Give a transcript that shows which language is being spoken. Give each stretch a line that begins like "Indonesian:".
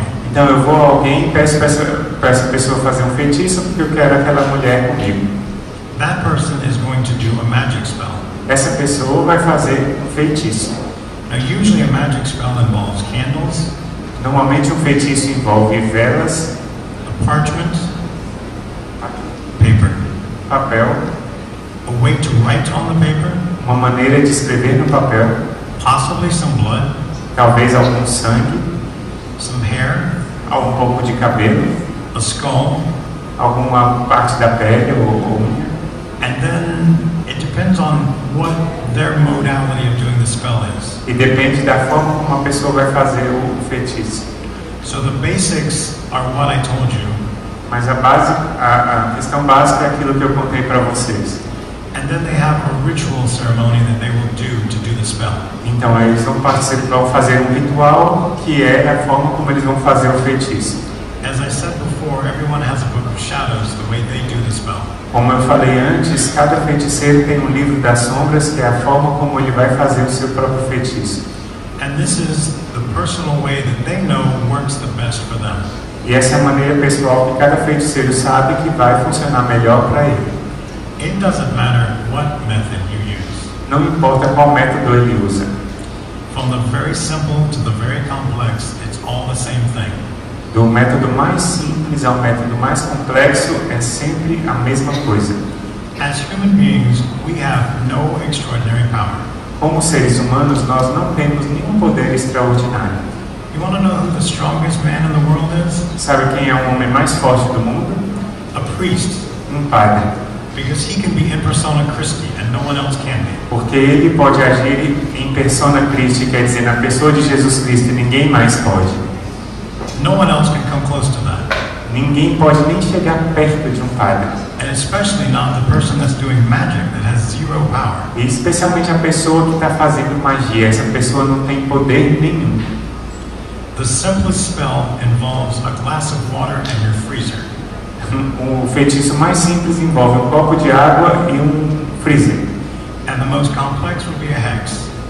Portuguese: Então eu vou a alguém e peço a pessoa fazer um feitiço porque eu quero aquela mulher comigo.
English: That person is going to do a magic spell.
Portuguese: Essa pessoa vai fazer um feitiço.
English: Now, usually a magic spell involves candles.
Portuguese: Normalmente um feitiço envolve velas,
English: a parchment,
Portuguese: papel,
English: a way to write on the paper,
Portuguese: uma maneira de escrever no papel,
English: possibly some blood,
Portuguese: talvez algum sangue,
English: some hair,
Portuguese: algum pouco de cabelo,
English: a skull,
Portuguese: alguma parte da pele ou unha,
English: and then it depends on what their modality of doing the spell is.
Portuguese: E depende da forma como a pessoa vai fazer o feitiço.
English: So the basics are what I told you.
Portuguese: Mas a questão básica é aquilo que eu contei para vocês.
English: And then they have a ritual ceremony that they will do to do the spell.
Portuguese: Então eles vão participar, vão fazer um ritual que é a forma como eles vão fazer o feitiço.
English: As I said before, everyone has a book of shadows, the way they do the spell.
Portuguese: Como eu falei antes, cada feiticeiro tem um livro das sombras que é a forma como ele vai fazer o seu próprio feitiço.
English: And this is the personal way that they know works the best for them.
Portuguese: E essa é a maneira pessoal que cada feiticeiro sabe que vai funcionar melhor para ele.
English: It doesn't matter what method you use.
Portuguese: Não importa qual método ele usa.
English: From the very simple to the very complex, it's all the same thing.
Portuguese: Do método mais simples ao método mais complexo, é sempre a mesma coisa.
English: As human beings, we have no extraordinary power.
Portuguese: Como seres humanos, nós não temos nenhum poder extraordinário.
English: You want to know who the strongest man in the world is?
Portuguese: Sabe quem é o homem mais forte do mundo?
English: A priest.
Portuguese: Padre.
English: Because he can be in persona Christi and no one else can be.
Portuguese: Porque ele pode agir em persona Christi, quer dizer, na pessoa de Jesus Cristo, e ninguém mais pode.
English: No one else can come close to that.
Portuguese: Ninguém pode nem chegar perto de padre.
English: And especially not the person that's doing magic that has zero power.
Portuguese: E especialmente a pessoa que está fazendo magia, essa pessoa não tem poder nenhum.
English: The simplest spell involves a glass of water in your freezer.
Portuguese: O feitiço mais simples envolve copo de água e freezer.
English: And the most complex would be a hex.